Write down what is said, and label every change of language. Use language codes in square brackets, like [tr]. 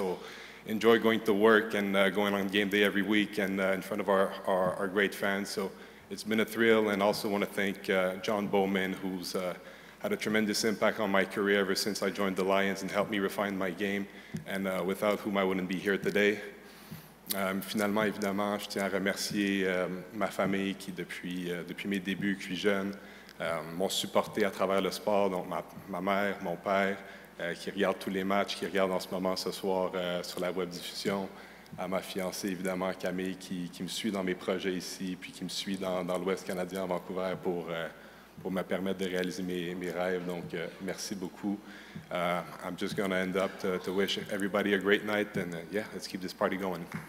[en] So enjoy going to work and going on game day every week and in front of our great fans. So it's been a thrill. And also want to thank John Bowman, who's had a tremendous impact on my career ever since I joined the Lions and helped me refine my game, and without whom I wouldn't be here today. [fr] Finalement, évidemment, je tiens à remercier ma famille qui, depuis mes débuts, que je suis jeune, m'ont supporté à travers le sport, donc ma mère, mon père, qui regarde tous les matchs, qui regarde en ce moment ce soir sur la web diffusion, à ma fiancée, évidemment, Camille, qui me suit dans mes projets ici, puis qui me suit dans l'Ouest canadien, à Vancouver, pour me permettre de réaliser mes rêves. Donc, merci beaucoup. [en] I'm just going to end up to wish everybody a great night, and let's keep this party going.